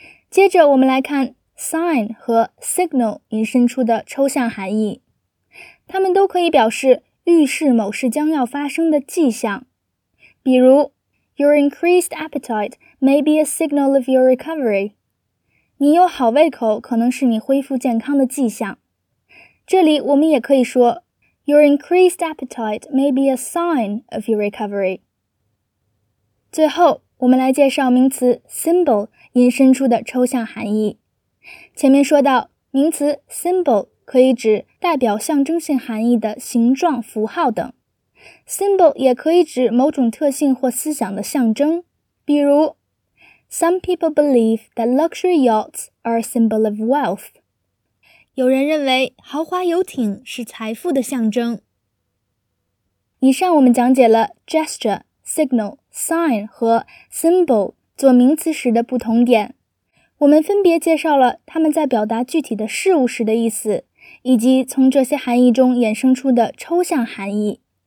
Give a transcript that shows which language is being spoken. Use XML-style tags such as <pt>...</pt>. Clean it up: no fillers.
<zh>接着我们来看 sign 和 signal 引申出的抽象含义，它们都可以表示预示某事将要发生的迹象，比如</zh> <en>Your increased appetite may be a signal of your recovery，</en> <zh>你有好胃口可能是你恢复健康的迹象。这里我们也可以说</zh> <en>Your increased appetite may be a sign of your recovery.</en> <zh>最后，我们来介绍名词 symbol 引申出的抽象含义。前面说到，名词 symbol 可以指代表象征性含义的形状、符号等。 symbol 也可以指某种特性或思想的象征，比如</zh> <en>Some people believe that luxury yachts are a symbol of wealth.</en> <zh>有人认为豪华游艇是财富的象征。以上我们讲解了 gesture、signal、sign 和 symbol 做名词时的不同点。我们分别介绍了它们在表达具体的事物时的意思，以及从这些含义中衍生出的抽象含义。</zh>